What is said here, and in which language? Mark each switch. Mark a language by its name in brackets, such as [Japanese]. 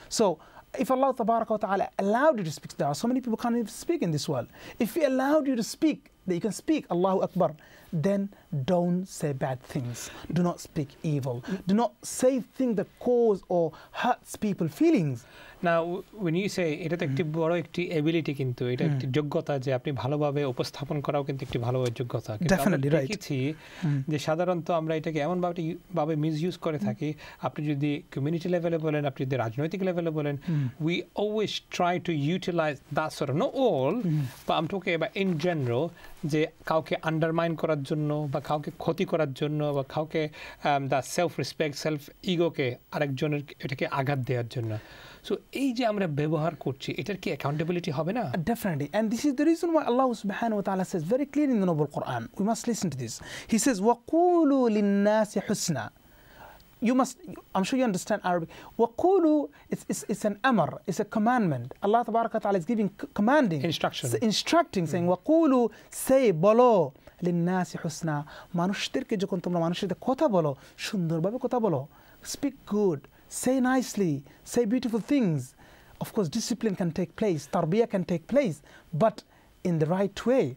[English] So, if Allah tabaraka wa ta'ala allowed you to speak, there are so many people can't even speak in this world. If he allowed you to speak, that you can speak Allahu Akbar, then don't say bad things. Do not speak evil. Do not say things that cause or hurts people's feelings. Now, when you say it is [Bangla] একটি বড় একটি ability কিন্তু এটা একটি যোগ্যতা যে আপনি ভালোভাবে উপস্থাপন করাও কিন্তু একটি ভালো যোগ্যতা কিন্তু [English] definitely right [Bangla] কিছি যে সাধারণত আমরা এটাকে এমন ভাবে মিসইউজ করে থাকি আপনি যদি কমিউনিটি লেভেলে বলেন আপনি যদি রাজনৈতিক লেভেলে বলেন [English] we always try to utilize that sort of not all but I'm talking about in general [Bangla] যে কাউকে আন্ডারমাইন করার জন্য বা কাউকে ক্ষতি করার জন্য বা কাউকে দা সেলফ রেসপেক্ট সেলফ ইগোকে আরেকজনের এটাকে আঘাত দেওয়ার জন্য So, এই যে আমরা ব্যবহার করছি এটার কি accountability হবে না? [English] Definitely. And this is the reason why Allah subhanahu wa ta'ala says very clearly in the Noble Quran. We must listen to this. [Arabic] He says, وَقُولُوا لِلنَّاسِ حُسْنًا. [English] You must, I'm sure you understand Arabic. وَقُولُوا, it's an amr, it's a commandment. Allah tabaraka wa ta'ala is giving, commanding. Instruction. Instructing, saying, وَقُولُوا, say, bolo. [Arabic] لِلنَّاسِ حُسْنًا. [Bangla] মানুষদেরকে যখন তোমরা মানুষদের কথা বলো, সুন্দরভাবে কথা বলো. [English] Speak good. Say nicely, say beautiful things. Of course, discipline can take place, tarbiyah can take place, but in the right way.